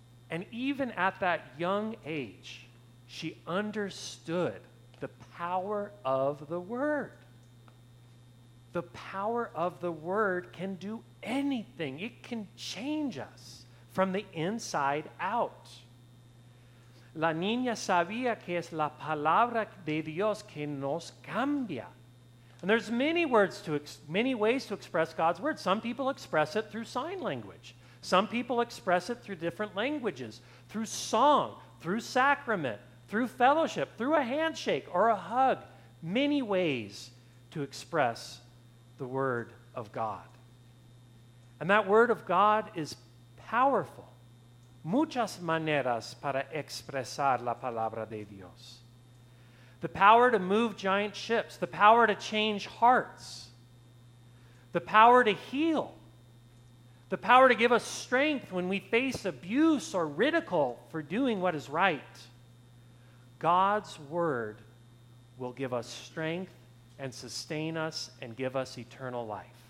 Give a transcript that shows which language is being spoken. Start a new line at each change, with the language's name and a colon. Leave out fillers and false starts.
English: And even at that young age, she understood the power of the Word. The power of the Word can do anything. It can change us from the inside out.
Spanish: La niña sabía que es la palabra de Dios que nos cambia.
English: And there's many ways to express God's Word. Some people express it through sign language. Some people express it through different languages, through song, through sacrament, through fellowship, through a handshake or a hug. Many ways to express the Word of God. And that Word of God is powerful.
Spanish: Muchas maneras para expresar la palabra de Dios.
English: The power to move giant ships, the power to change hearts, the power to heal, the power to give us strength when we face abuse or ridicule for doing what is right. God's word will give us strength and sustain us and give us eternal life.